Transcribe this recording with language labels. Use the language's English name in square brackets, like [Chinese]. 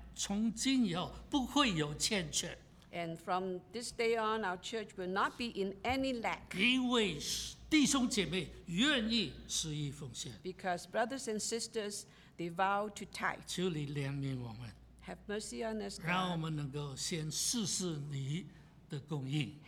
[Chinese] 让我们的教会从今以后不会有欠缺, [English] and from this day on, our church will not be in any lack. [Chinese] 因为弟兄姐妹愿意施以奉献, [English] because brothers and sisters, they vow to tithe. [Chinese] 求你怜悯我们, [English] have mercy on us, God. [Chinese] 让我们能够先试试你的供应,